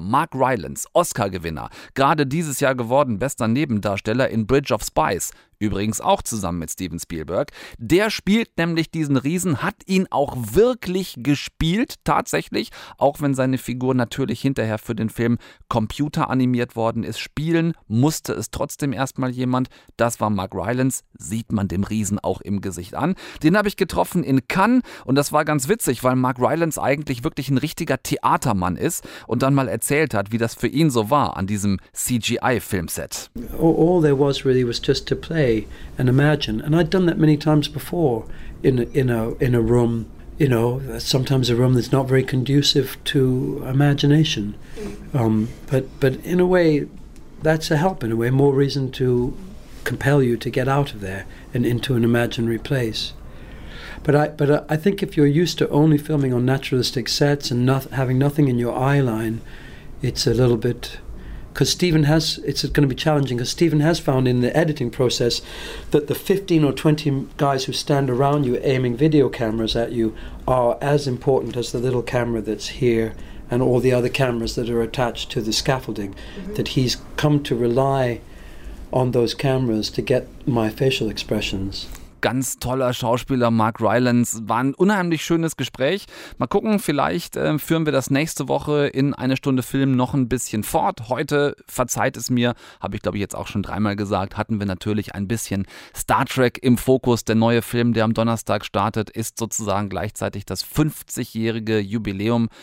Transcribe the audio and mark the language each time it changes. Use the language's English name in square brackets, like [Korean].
[German] Mark Rylance, Oscar-Gewinner, gerade dieses Jahr geworden bester Nebendarsteller in Bridge of Spies, übrigens auch zusammen mit Steven Spielberg, der spielt nämlich diesen Riesen, hat ihn auch wirklich gespielt, tatsächlich, auch wenn seine Figur natürlich hinterher für den Film computeranimiert worden ist, spielen musste es trotzdem erstmal jemand, das war Mark Rylance, sieht man dem Riesen auch im Gesicht an. Den habe ich getroffen in Cannes und das war ganz witzig, weil Mark Rylance eigentlich wirklich ein richtiger Theatermann ist und dann mal erzählt hat, wie das für ihn so war an diesem CGI-Filmset. [English] All there was really was just to play and imagine, and I'd done that many times before in a room, you know, sometimes a room that's not very conducive to imagination, but in a way that's a help, in a way, more reason to compel you to get out of there and into an imaginary place. But I think if you're used to only filming on naturalistic sets and not having nothing in your eye line, it's a little bit, because Stephen has, it's going to be challenging, because Stephen has found in the editing process that the 15 or 20 guys who stand around you aiming video cameras at you are as important as the little camera that's here and all the other cameras that are attached to the scaffolding, mm-hmm. that he's come to rely on those cameras to get my facial expressions. [German] Ganz toller Schauspieler Mark Rylance. War ein unheimlich schönes Gespräch. Mal gucken, vielleicht führen wir das nächste Woche in eine Stunde Film noch ein bisschen fort. Heute, verzeiht es mir, habe ich glaube ich jetzt auch schon dreimal gesagt, hatten wir natürlich ein bisschen Star Trek im Fokus. Der neue Film, der am Donnerstag startet, ist sozusagen gleichzeitig das 50-jährige Jubiläum.